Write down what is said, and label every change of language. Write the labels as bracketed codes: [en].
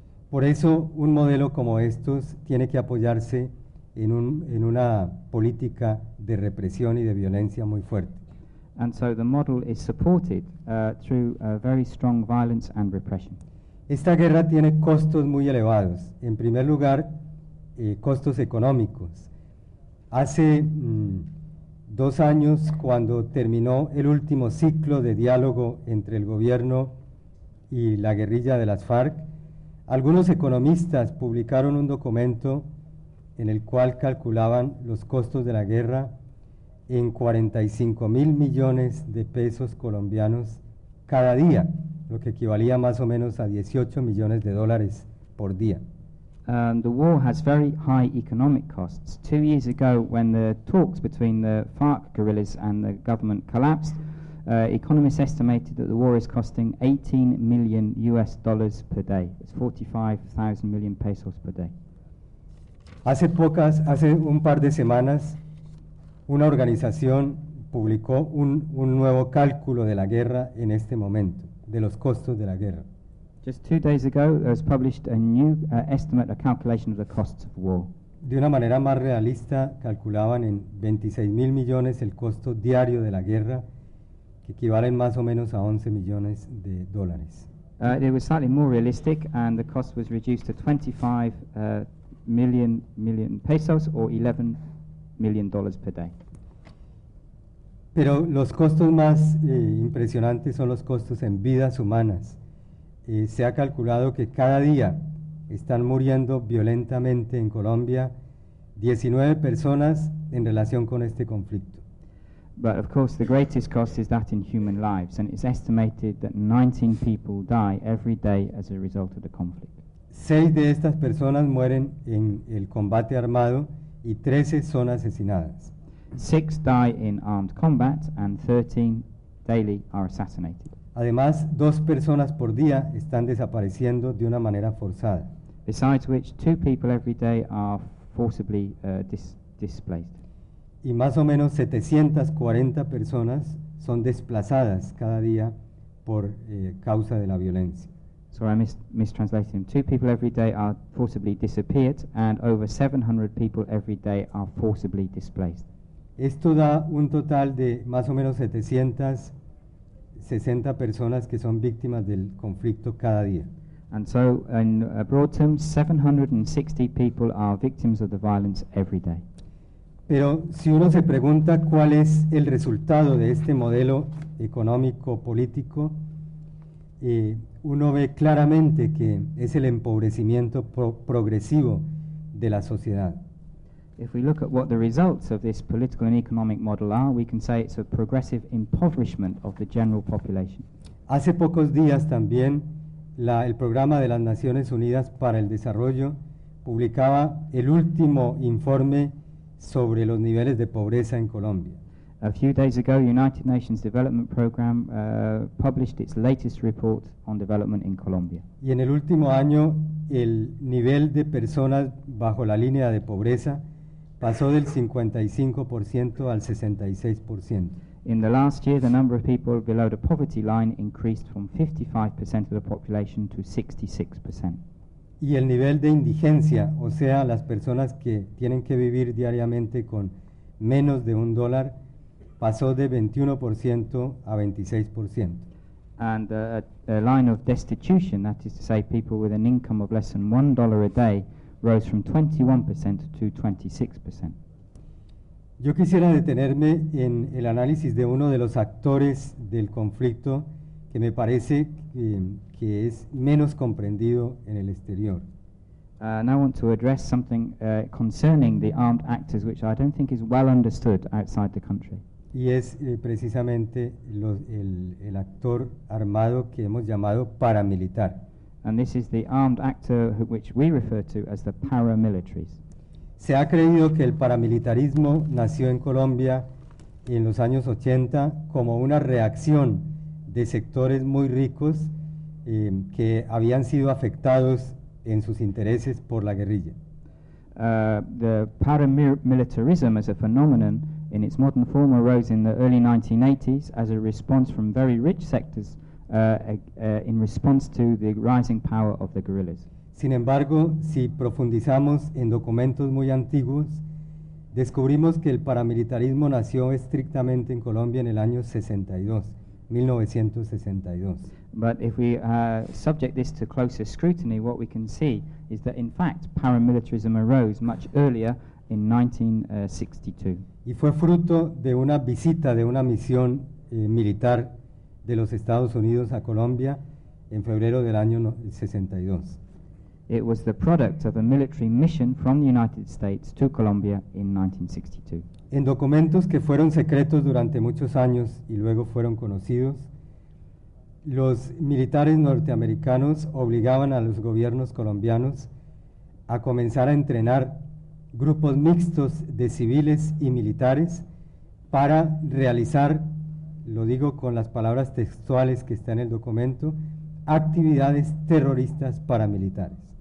[es] Por eso, un modelo como estos tiene que apoyarse en una política de represión y de violencia muy fuerte. [en] And so the model is supported through very strong violence and repression. [es] Esta guerra tiene costos muy elevados. En primer lugar, costos económicos. Hace dos años, cuando terminó el último ciclo de diálogo entre el gobierno y la guerrilla de las FARC, algunos economistas publicaron un documento en el cual calculaban los costos de la guerra en 45 mil millones de pesos colombianos cada día, lo que equivalía más o menos a 18 millones de dólares por día. [en] The war has very high economic costs. 2 years ago, when the talks between the FARC guerrillas and the government collapsed, economists estimated that the war is costing 18 million US dollars per day. It's 45,000 million pesos per day. [es] Hace un par de semanas, una organización publicó un nuevo cálculo de la guerra en este momento, de los costos de la guerra. [en] Just 2 days ago, there was published a new estimate, a calculation of the costs of war. [es] De una manera más realista, calculaban en 26 mil millones el costo diario de la guerra, que equivalen más o menos a 11 millones de dólares. [en] It was slightly more realistic, and the cost was reduced to 25 million pesos, or 11 million dollars per day. [es] Pero los costos más impresionantes son los costos en vidas humanas. Se ha calculado que cada día están muriendo violentamente en Colombia 19 personas en relación con este conflicto. [en] But of course the greatest cost is that in human lives, and it's estimated that 19 people die every day as a result of the conflict. [es] 6 de estas personas mueren en el combate armado y 13 son asesinadas. [en] 6 die in armed combat and 13 daily are assassinated. [es] Además, 2 personas por día están desapareciendo de una manera forzada. [en] Besides which, 2 people every day are forcibly displaced. [es] Y más o menos 740 personas son desplazadas cada día por causa de la violencia. [en] Sorry, I mistranslated him. 2 people every day are forcibly disappeared, and over 700 people every day are forcibly displaced. [es] Esto da un total de más o menos 760 personas que son víctimas del conflicto cada día. [en] And so, in broad terms, 760 people are victims of the violence every day. [es] Pero si uno se pregunta cuál es el resultado de este modelo económico-político, uno ve claramente que es el empobrecimiento progresivo de la sociedad. [en] If we look at what the results of this political and economic model are, we can say it's a progressive impoverishment of the general population. [es] Hace pocos días también el programa de las Naciones Unidas para el Desarrollo publicaba el último informe sobre los niveles de pobreza en Colombia. [en] A few days ago, United Nations Development Program published its latest report on development in Colombia. [es] Y en el último año, el nivel de personas bajo la línea de pobreza pasó del 55% al 66%. [en] In the last year, the number of people below the poverty line increased from 55% of the population to 66%. [es] Y el nivel de indigencia, o sea, las personas que tienen que vivir diariamente con menos de un dólar, pasó de 21% a 26%. [en] And a line of destitution, that is to say people with an income of less than $1 a day, rose from 21% to 26%. [es] Yo quisiera detenerme en el análisis de uno de los actores del conflicto que me parece que es menos comprendido en el exterior. [en] And I want to address something concerning the armed actors, which I don't think is well understood outside the country. [es] Y es precisamente el actor armado que hemos llamado paramilitar. [en] And this is the armed actor which we refer to as the paramilitaries. [es] Se ha creído que el paramilitarismo nació en Colombia en los años 80 como una reacción de sectores muy ricos que habían sido afectados en sus intereses por la guerrilla. [en] The paramilitarism as a phenomenon in its modern form arose in the early 1980s as a response from very rich sectors in response to the rising power of the guerrillas. [es] Sin embargo, si profundizamos en documentos muy antiguos, descubrimos que el paramilitarismo nació estrictamente en Colombia en el año 1962. [en] But if we subject this to closer scrutiny, what we can see is that in fact paramilitarism arose much earlier in 1962. [es] Y fue fruto de una visita de una misión militar de los Estados Unidos a Colombia en febrero del año 62. [en] It was the product of a military mission from the United States to Colombia in 1962. [es] En documentos que fueron secretos durante muchos años y luego fueron conocidos, los militares norteamericanos obligaban a los gobiernos colombianos a comenzar a entrenar grupos mixtos de civiles y militares para realizar, lo digo con las palabras textuales que está en el documento, actividades terroristas paramilitares.